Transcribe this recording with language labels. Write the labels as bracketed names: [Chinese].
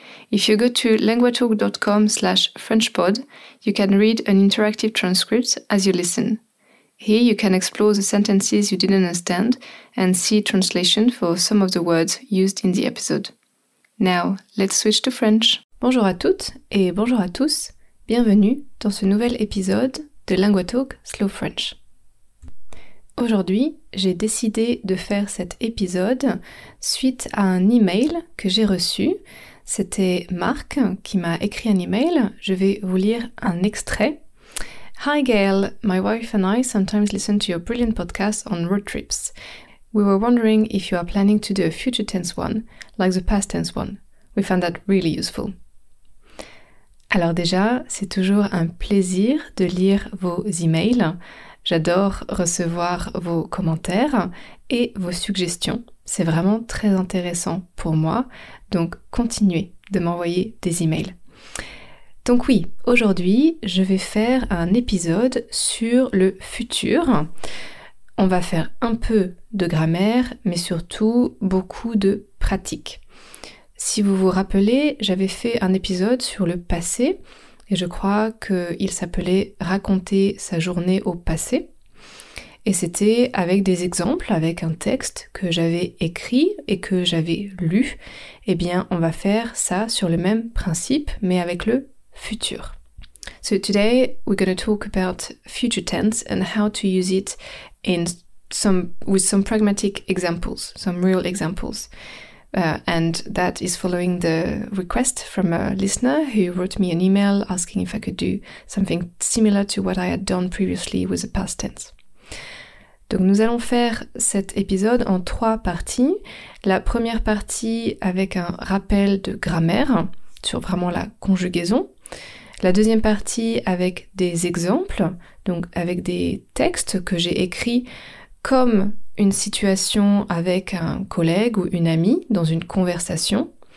[English] If you go to languagetalk.com/frenchpod, you can read an interactive transcript as you listen. Here you can explore the sentences you didn't understand and see translation for some of the words used in the episode. Now, let's switch to French. [French] Bonjour à toutes et bonjour à tous. Bienvenue dans ce nouvel épisode de Lingua Talk Slow French. Aujourd'hui, j'ai décidé de faire cet épisode suite à un email que j'ai reçu. C'était Marc qui m'a écrit un email. Je vais vous lire un extrait. [English] Hi Gail, my wife and I sometimes listen to your brilliant podcast on road trips. We were wondering if you are planning to do a future tense one, like the past tense one. We found that really useful. [French] Alors déjà, c'est toujours un plaisir de lire vos emails. J'adore recevoir vos commentaires et vos suggestions. C'est vraiment très intéressant pour moi, donc continuez de m'envoyer des emails. Donc oui, aujourd'hui, je vais faire un épisode sur le futur. On va faire un peu de grammaire, mais surtout beaucoup de pratique. Si vous vous rappelez, j'avais fait un épisode sur le passé et je crois qu'il s'appelait « Raconter sa journée au passé ». Et c'était avec des exemples, avec un texte que j'avais écrit et que j'avais lu. Eh bien, on va faire ça sur le même principe, mais avec le futur. [English] So today, we're going to talk about future tense and how to use it in with some pragmatic examples, some real examples. And that is following the request from a listener who wrote me an email asking if I could do something similar to what I had done previously with the past tense. [French] Donc nous allons faire cet épisode en trois parties. La première partie avec un rappel de grammaire sur vraiment la conjugaison. La deuxième partie avec des exemples, donc avec des textes que j'ai écrits comme une situation avec un collègue ou une amie dans une conversation.